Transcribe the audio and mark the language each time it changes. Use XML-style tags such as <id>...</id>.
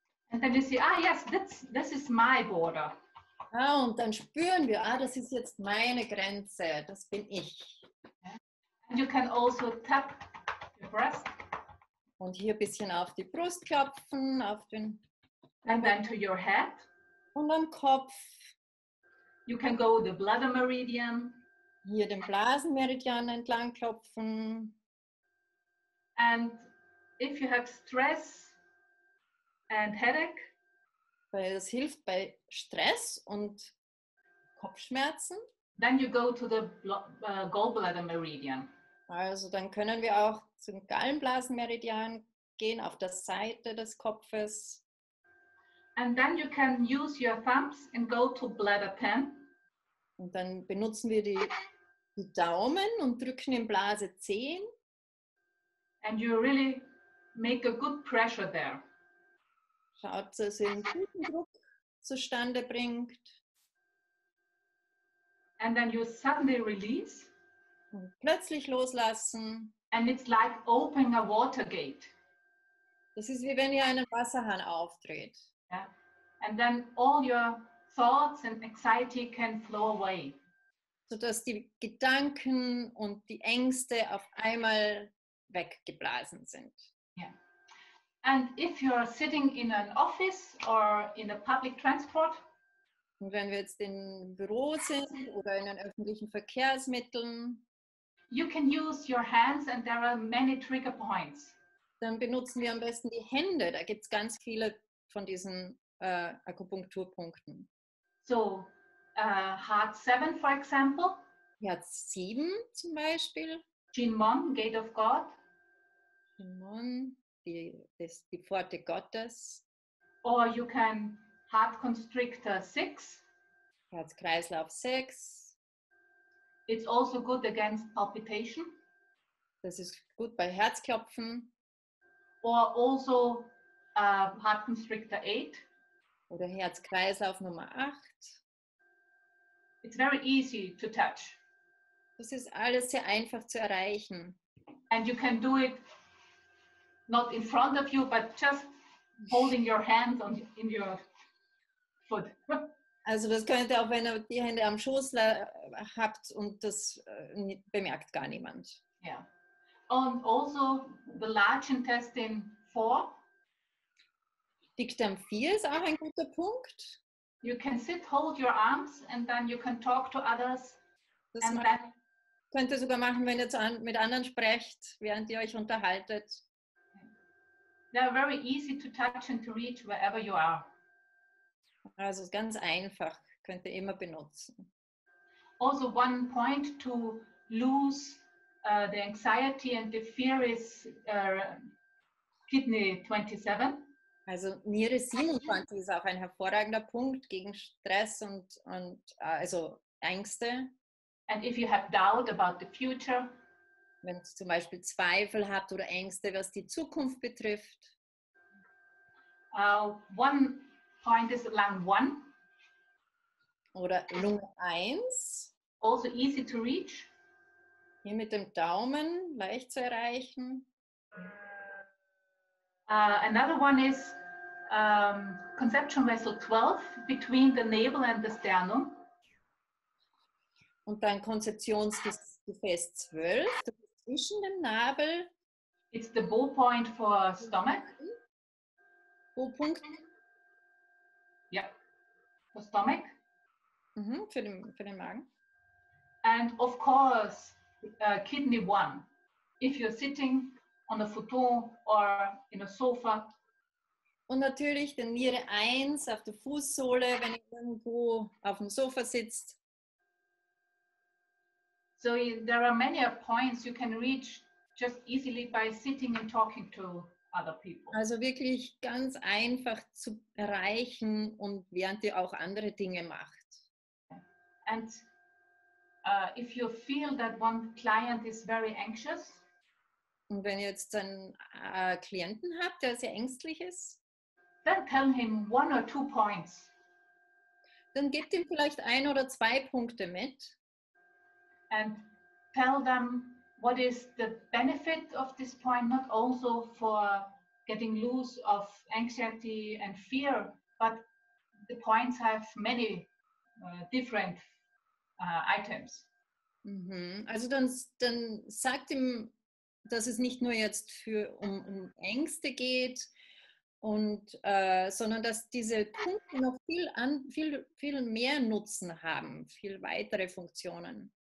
<en>And then you see, yes, this is my border.</en> <de>Ah, und dann spüren wir, das ist jetzt meine Grenze, das bin ich.</de> <en>And you can also tap your breast.</en> <de>Und hier ein bisschen auf die Brust klopfen, auf den.</de> <en>And then to your head.</en> <de>Und am Kopf.</de> <en>You can go the bladder meridian.</en> <de>Hier den Blasenmeridian entlang klopfen.</de> <en>And if you have stress and headache.</en> <de>Weil es hilft bei Stress und Kopfschmerzen.</de> <en>Then you go to the gallbladder meridian.</en> <de>Also dann können wir auch zum Gallenblasenmeridian gehen, auf der Seite des Kopfes.</de> <en>And then you can use your thumbs and go to bladder pen.</en> <de>Und dann benutzen wir die Daumen und drücken in Blase 10.</de> <en>And you really make a good pressure there.</en> <de>Schaut, dass ihr einen guten Druck zustande bringt.</de> <en>And then you suddenly release.</en> <de>Und plötzlich loslassen.</de> <en>And it's like opening a water gate.</en> <de>Das ist wie wenn ihr einen Wasserhahn aufdreht.</de> <en>Yeah. And then all your thoughts and anxiety can flow away.</en> <de>So dass die Gedanken und die Ängste auf einmal weggeblasen sind.</de> <en>Yeah. And if you are sitting in an office or in a public transport.</en> <de>Und wenn wir jetzt im Büro sind oder in den öffentlichen Verkehrsmitteln.</de> <en>You can use your hands and there are many trigger points.</en> <de>Dann benutzen wir am besten die Hände. Da gibt es ganz viele von diesen Akupunkturpunkten.</de> <en>So, Heart 7, for example.</en> <de>Herz 7 zum Beispiel.</de> <en>Jinmon, Gate of God.</en> <de>Jinmon, die Pforte Gottes.</de> <en>Or you can Heart Constrictor 6.</en> <de>Herzkreislauf 6.</de> <en>It's also good against palpitation.</en> <de>Das ist gut bei Herzklopfen.</de> <en>Or also Heart Constrictor 8.</en> <de>Oder Herzkreislauf Nummer 8.</de> <en>It's very easy to touch.</en> <de>Das ist alles sehr einfach zu erreichen.</de> <en>And you can do it not in front of you, but just holding your hand on in your foot.</en> <de>Also das könnt ihr auch, wenn ihr die Hände am Schoß habt und das bemerkt gar niemand.</de> <en>Yeah. And also the large intestine 4.</en> <de>Dickdarm 4 ist auch ein guter Punkt.</de> <en>You can sit, hold your arms and then you can talk to others.</en> <de>Das</de> <en>and then</en> <de>könnt ihr sogar machen, wenn ihr jetzt mit anderen sprecht, während ihr euch unterhaltet.</de> <en>They are very easy to touch and to reach wherever you are.</en> <de>Also ganz einfach, könnt ihr immer benutzen.</de> <en>Also one point to lose the anxiety and the fear is kidney 27.</en> <de>Also Niere 27 ist auch ein hervorragender Punkt gegen Stress und also Ängste.</de> <en>And if you have doubt about the future.</en> <de>Wenn du zum Beispiel Zweifel habt oder Ängste, was die Zukunft betrifft.</de> <en>One point is lung 1.</en> <de>Oder Lunge 1.</de> <en>Also easy to reach.</en> <de>Hier mit dem Daumen leicht zu erreichen.</de> <en>Another one is conception vessel 12 between the navel and the sternum.</en> <de>Und dann Konzeptionsgefäß 12 zwischen dem Nabel.</de> <en>It's the bow point for stomach.</en> <de>Bowpunkt. Ja.</de> <en>Yeah. For stomach.</en> <de>Mhm, für den Magen.</de> <en>And of course kidney 1. If you're sitting on a futon or in a sofa.</en> <de>Und natürlich die Niere 1 auf der Fußsohle, wenn ihr irgendwo auf dem Sofa sitzt.</de> <en>So there are many points you can reach just easily by sitting and talking to other people.</en> <de>Also wirklich ganz einfach zu erreichen und während ihr auch andere Dinge macht.</de> <en>And if you feel that one client is very anxious.</en> <de>Und wenn ihr jetzt einen Klienten habt, der sehr ängstlich ist.</de> <en>Then tell him one or two points.</en> <de>Dann gebt ihm vielleicht ein oder zwei Punkte mit.</de> <en>And tell them what is the benefit of this point, not also for getting loose of anxiety and fear, but the points have many different items. Mm-hmm.</en> <de>Also dann sagt ihm, dass es nicht nur jetzt um Ängste geht, sondern dass diese Punkte noch viel mehr Nutzen haben, viel weitere Funktionen.</de>